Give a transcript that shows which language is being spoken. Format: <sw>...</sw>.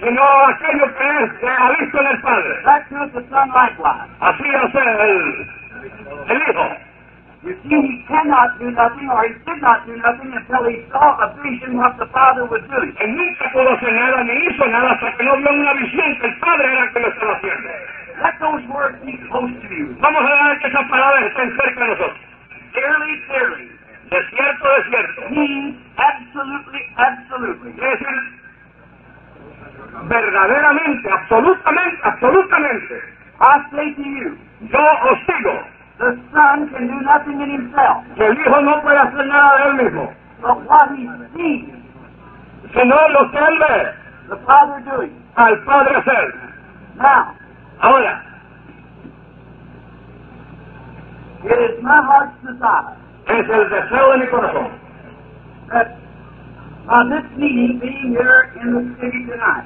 <es>Sino aquello que es que ha visto en el Padre.</es> <en>That does the Son likewise.</en> <es>Así hace el Hijo.</es> <en>You see, he cannot do nothing, or he did not do nothing, until he saw a vision what the Father was doing.</en> <es>Él nunca pudo hacer nada, ni hizo nada, hasta que no vio una visión que el Padre era que lo estaba haciendo.</es> <en>Let those words be close to you.</en> <es>Vamos a dejar que esas palabras estén cerca de nosotros.</es> <en>Clearly, clearly.</en> <es>De cierto, de cierto.</es> <en>Means absolutely, absolutely.</en> <es>Es verdaderamente, absolutamente, absolutamente.</es> <en>I say to you.</en> <es>Yo os digo.</es> <en>The Son can do nothing in himself.</en> <es>Que el Hijo no puede hacer nada de él mismo.</es> <en>But what he sees.</en> <es>Sino lo que él ve.</es> <en>The Father doing.</en> <es>Al Padre hacer.</es> <en>Now.</en> <es>Ahora.</es> <en>It is my heart's desire.</en> <es>Es el deseo de mi corazón.</es> <en>That this meeting being here in the city tonight.</en>